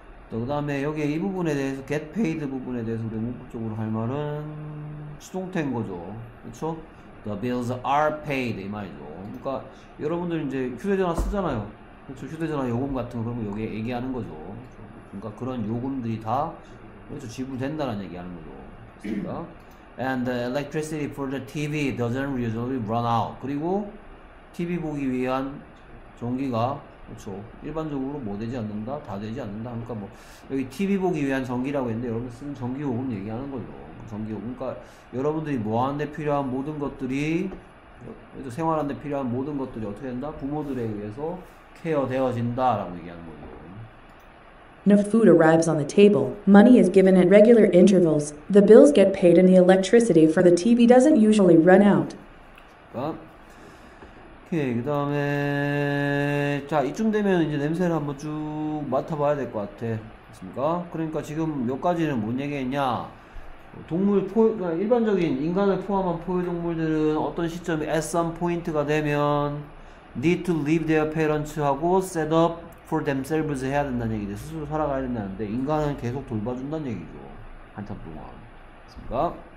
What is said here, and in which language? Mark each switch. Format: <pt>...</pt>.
<ko>그 다음에 여기에 이 부분에 대해서</ko> <en>get paid</en> <ko>부분에 대해서 우리가 문법적으로 할 말은 수동태인 거죠. 그렇죠?</ko> <en>The bills are paid</en> <ko>이 말이죠. 그러니까 여러분들 이제 휴대전화 쓰잖아요. 그렇죠? 휴대전화 요금 같은 거 그런 거 여기에 얘기하는 거죠. 그러니까 그런 요금들이 다 그렇죠? 지불된다는 얘기하는 거죠. 그렇습니까?</ko> <en>And the electricity for the TV doesn't usually run out.</en> <ko>그리고 TV 보기 위한 전기가 그렇죠. 일반적으로 뭐 되지 않는다? 다 되지 않는다? 그러니까 뭐 여기 TV 보기 위한 전기라고 했는데 여러분 쓰는 전기 요금 얘기하는 거죠. 전기 요금. 그러니까 여러분들이 뭐 하는 데 필요한 모든 것들이 생활하는 데 필요한 모든 것들이 어떻게 된다? 부모들에 의해서 케어되어진다라고 얘기하는 거죠.</ko> <en>Enough food arrives on the table. Money is given at regular intervals. The bills get paid and the electricity for the TV doesn't usually run out.</en> <ko>그러니까 오케이. 그 다음에 자 이쯤 되면 이제 냄새를 한번 쭉 맡아봐야 될것 같아. 맞습니까? 그러니까 지금 몇 가지는 뭔 얘기했냐? 일반적인 인간을 포함한 포유동물들은 어떤 시점에</ko> <en>at some point</en> <ko>가 되면</ko> <en>need to leave their parents</en> <ko>하고</ko> <en>set up for themselves</en> <ko>해야 된다는 얘기인데 스스로 살아가야 된다는데 인간은 계속 돌봐준다는 얘기죠. 한참 동안. 맞습니까?</ko>